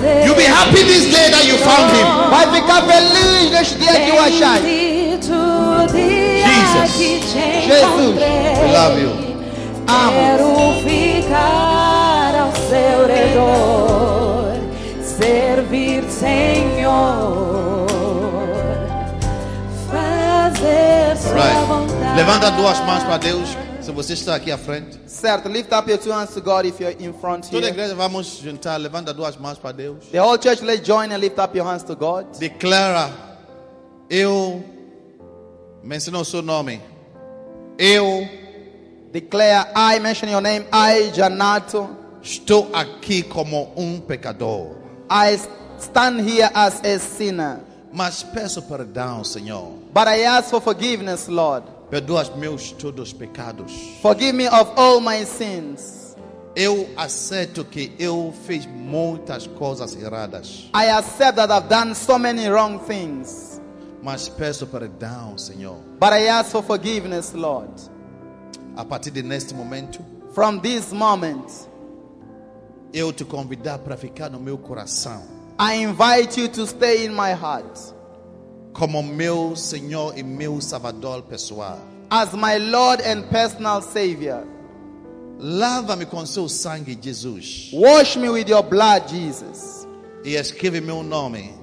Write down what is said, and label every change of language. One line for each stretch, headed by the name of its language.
English: You'll be happy this day that you found him.
Portuguese: Vai ficar feliz neste dia que o achar.
English: Jesus. We love you.
Portuguese: Quero ficar ao seu redor, servir, Senhor, fazer sua vontade. Levanta duas mãos para Deus. Se você está aqui à frente. Certo,
English: lift up your two hands to God if you're in front here.
Portuguese: Toda a igreja vamos juntar, levanta duas mãos para Deus.
English: The whole church, let's join and lift up your hands to God.
Portuguese: Declara, eu menciono o seu nome. Eu
English: declare, I mention your name, I Janato.
Portuguese: Estou aqui como pecador.
English: I stand here as a sinner.
Portuguese: Mas peço perdão, Senhor.
English: But I ask for forgiveness, Lord.
Portuguese: Perdoa os meus todos pecados.
English: Forgive me of all my sins.
Portuguese: Eu aceito que eu fiz muitas coisas erradas.
English: I accept that I've done so many wrong things.
Portuguese: Mas peço perdão, Senhor.
English: But I ask for forgiveness, Lord.
Portuguese: A partir de neste momento,
English: from this moment,
Portuguese: eu te convido para ficar no meu coração.
English: I invite you to stay in my heart.
Portuguese: Como meu Senhor e meu Salvador pessoal.
English: As my Lord and personal Savior.
Portuguese: Lava-me com seu sangue, Jesus.
English: Wash me with your blood, Jesus.
Portuguese: E escreve meu nome.